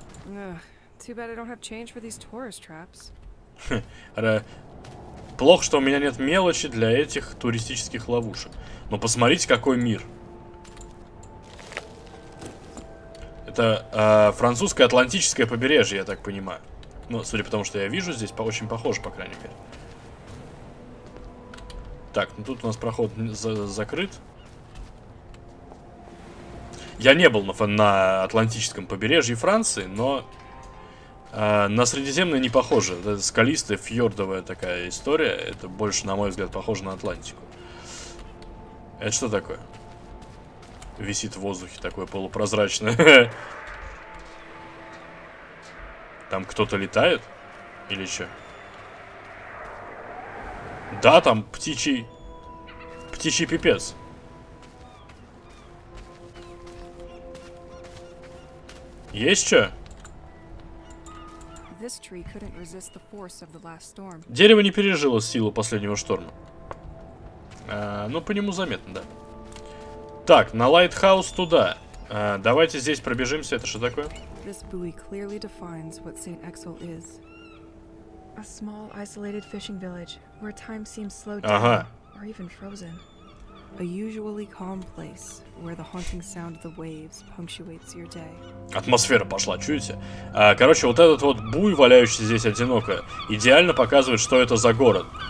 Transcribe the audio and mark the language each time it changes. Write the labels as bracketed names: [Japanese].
[English] Too bad I don't have change for these tourist traps. [Russian] Плохо, что у меня нет мелочи для этих туристических ловушек. Но посмотрите, какой мир. Это французское атлантическое побережье, я так понимаю. Ну, судя по тому, что я вижу, здесь очень похоже, по крайней мере. Так, ну тут у нас проход закрыт. Я не был на атлантическом побережье Франции, но на Средиземное не похоже. Это скалистая, фьордовая такая история. Это больше, на мой взгляд, похоже на Атлантику. Это что такое? Висит в воздухе такое полупрозрачное. Там кто-то летает? Или что? Да, там птичий... Птичий пипец. Есть что? [English] This tree couldn't resist the force of the last storm. [Russian] Дерево не пережило силу последнего шторма. Ну, по нему заметно, да. Так, на лайтхаус туда. Давайте здесь пробежимся. Это что такое? [English] This buoy clearly defines what Saint Exel is. A small, isolated fishing village, where time seems slowed down, or even frozen. A usually calm place, where the haunting sound of the waves punctuates your day. [Russian] Атмосфера пошла, чуете? Короче, вот этот вот буй, валяющийся здесь одиноко, идеально показывает, что это за город.